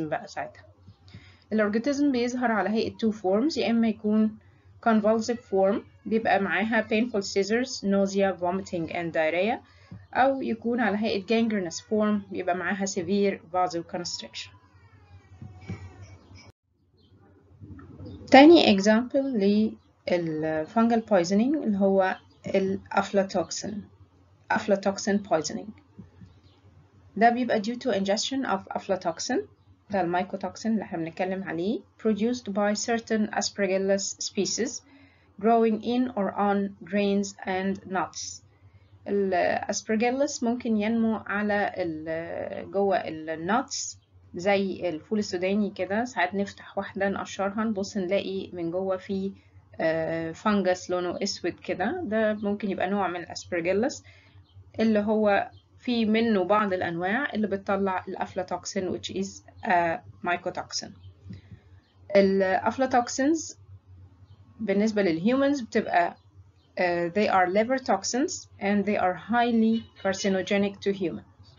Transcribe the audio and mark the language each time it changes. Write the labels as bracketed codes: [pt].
[ar] بقى ساعتها الـ ergotism بيظهر على هيئة two forms، يا إما يكون convulsive form بيبقى معاها [en] painful seizures nausea vomiting and diarrhea، [ar] أو يكون على هيئة gangrenous form يبقى معاها [en] severe vasoconstriction. [ar] تاني example للfungal poisoning اللي هو الأفلاتوكسين، أفلاتوكسين poisoning. ده بيبقى [en] due to ingestion of aflatoxin, [ar] ده المايكوتوكسين اللي احنا بنتكلم عليه، [en] produced by certain aspergillus species growing in or on grains and nuts. [ar] الأسبرجيلس ممكن ينمو على جوه النوتس زي الفول السوداني كده، ساعات نفتح واحدة نقشرها نبص نلاقي من جوه في فانجس لونه أسود كده، ده ممكن يبقى نوع من الأسبرجيلس اللي هو في منه بعض الأنواع اللي بتطلع الأفلاتوكسين [en] which is a mycotoxin. [ar] الأفلاتوكسينز بالنسبة للهيومنز بتبقى [en] they are liver toxins and they are highly carcinogenic to humans.